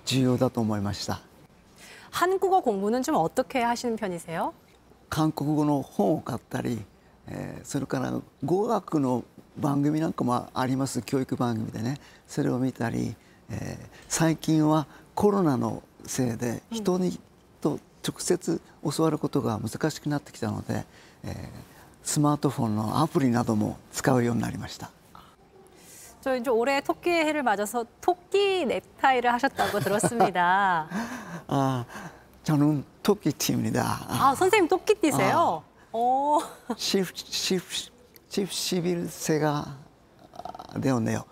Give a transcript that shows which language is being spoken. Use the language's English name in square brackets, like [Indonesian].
[Japanese] そうです。公演の時に簡単な曲の解説をして、お客様が今どういう曲を弾いているのかが分かりやすいように直接話すことが重要だと思いました。韓国語 [Korean] 공부는 좀 어떻게 하시는 편이세요? [Japanese] 韓国語の本を買ったり、それから語学の番組なんかもあります。教育番組でね、それを見たり、最近は コロナのせいで人と直接教わることが難しくなってきたので、スマートフォンのアプリなども使うようになりました。 [Korean] 저 이제 올해 토끼의 해를 맞아서 토끼 넥타이를 하셨다고 들었습니다. 아, 저는 토끼띠입니다. 아, 선생님 토끼띠세요? 오. 71세가 되었네요.